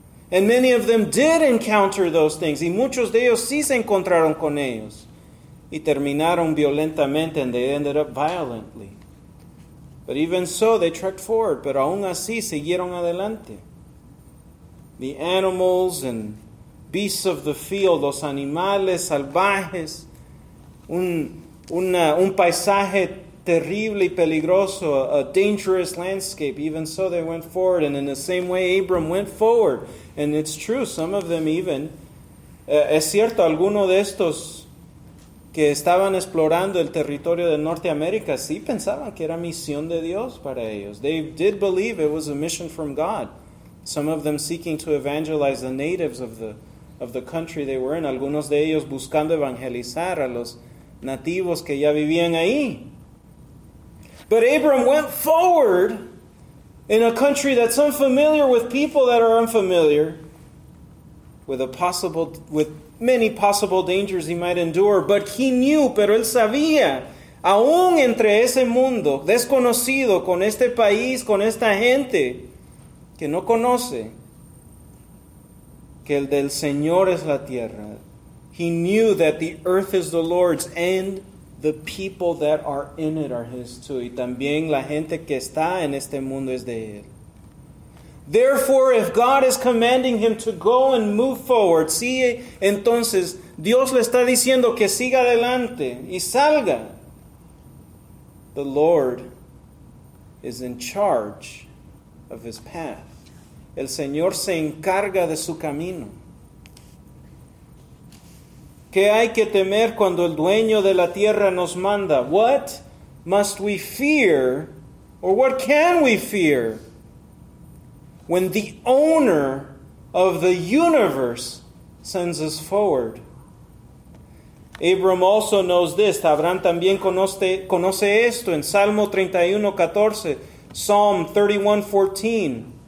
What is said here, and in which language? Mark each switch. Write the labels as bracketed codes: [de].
[en] And many of them did encounter those things. [es] Y muchos de ellos sí se encontraron con ellos. Y terminaron violentamente, [en] and they ended up violently. But even so, they trekked forward. [es] Pero aún así, siguieron adelante. [en] The animals and beasts of the field, [es] los animales salvajes, un paisaje terrible y peligroso, [en] a dangerous landscape. Even so, they went forward. And in the same way, Abram went forward. And it's true, some of them even, [es] es cierto, alguno de estos que estaban explorando el territorio de Norteamérica, sí pensaban que era misión de Dios para ellos. [en] They did believe it was a mission from God. Some of them seeking to evangelize the natives of the country they were in. [es] Algunos de ellos buscando evangelizar a los nativos que ya vivían ahí. [en] But Abram went forward in a country that's unfamiliar with people that are unfamiliar, with many possible dangers he might endure. But he knew, [es] pero él sabía, aún entre ese mundo desconocido, con este país, con esta gente que no conoce, que el del Señor es la tierra. [en] He knew that the earth is the Lord's and the people that are in it are his too. [es] Y también la gente que está en este mundo es de él. [en] Therefore, if God is commanding him to go and move forward, [es] si entonces Dios le está diciendo que siga adelante y salga, [en] the Lord is in charge of his path. [es] El Señor se encarga de su camino. ¿Qué hay que temer cuando el dueño de la tierra nos manda? [en] What must we fear, or what can we fear, when the owner of the universe sends us forward? Abram also knows this. [es] Abraham también conoce esto en Salmo 31:14, [en] Psalm 31:14.